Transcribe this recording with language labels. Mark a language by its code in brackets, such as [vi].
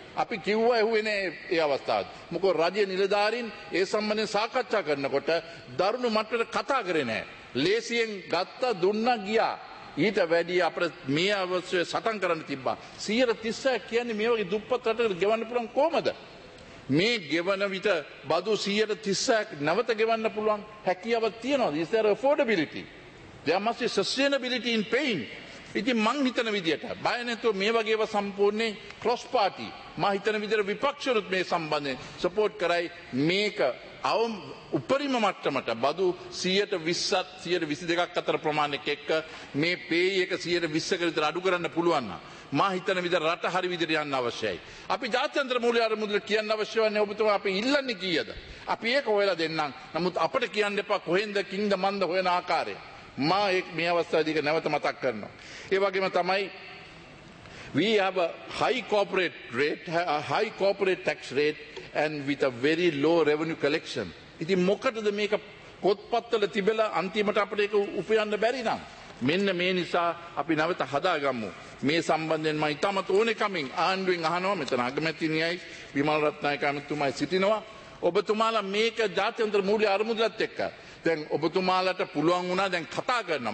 [si] අපි කිව්වා එහුවේ නෑ ඒ අවස්ථාවේ. මොකද රජයේ නිලධාරීන් ඒ සම්බන්ධයෙන් සාකච්ඡා කරනකොට දරුණු මට්ටමට කතා කරේ නෑ. ලේසියෙන් ගත්තා දුන්නා ගියා. ඊට වැඩි අපිට මේ අවශ්‍ය සටන් කරන්න තිබ්බා. 136 කියන්නේ මේ වගේ දුප්පත් රටකට ගෙවන්න පුළුවන් කොහමද? මේ ගෙවන විට බදු 136ක් නැවත ගෙවන්න පුළුවන් හැකියාව තියෙනවද? [en] Is there affordability? There must be sustainability in paying. [si] ඉතින් මං හිතන විදිහට බය නැතුව මේ වගේව සම්පූර්ණේ ක්‍රොස් පාටි මා හිතන විදිහට විපක්ෂරුත් මේ සම්බන්ධයෙන් සපෝට් කරයි. මේක අවම උපරිම මට්ටමට බදු 120ත් 122ක් අතර ප්‍රමාණයක් එක්ක මේ පේයි එක 120කට විතර අඩු කරන්න පුළුවන් නම් මා හිතන විදිහට රට හරි විදිහට යන්න අවශ්‍යයි. අපි ජාත්‍යන්තර මූල්‍ය අරමුදල කියන්න අවශ්‍ය වන්නේ ඔබතුමා අපි ඉල්ලන්නේ කීයද? අපි ඒක හොයලා දෙන්නම්. නමුත් අපිට කියන්න එපා කොහෙන්ද කිංද මන්ද හොයන ආකාරය. මා මේ අවස්ථාවේදී ඒක නැවත මතක් කරනවා. ඒ වගේම තමයි [en] we have a high corporate rate, a high corporate tax rate and with a very low revenue collection. [si] ඉතින් මොකටද මේක පොත්පත්වල තිබෙලා අන්තිමට අපිට ඒක උපයන්න බැරි නම්? මෙන්න මේ නිසා අපි නැවත හදාගමු. මේ සම්බන්ධයෙන් මම ඉතාමත් ඕනේ කමින් ආණ්ඩුවෙන් අහනවා. මෙතන අගමැතිනියයි විමල් රත්නායක අමාත්‍යතුමායි සිටිනවා. ඔබතුමාලා මේක ජාත්‍යන්තර මූල්‍ය අරමුදලත් එක්ක දැන් ඔබතුමාලට පුළුවන් වුණා දැන් කතා කරන්න.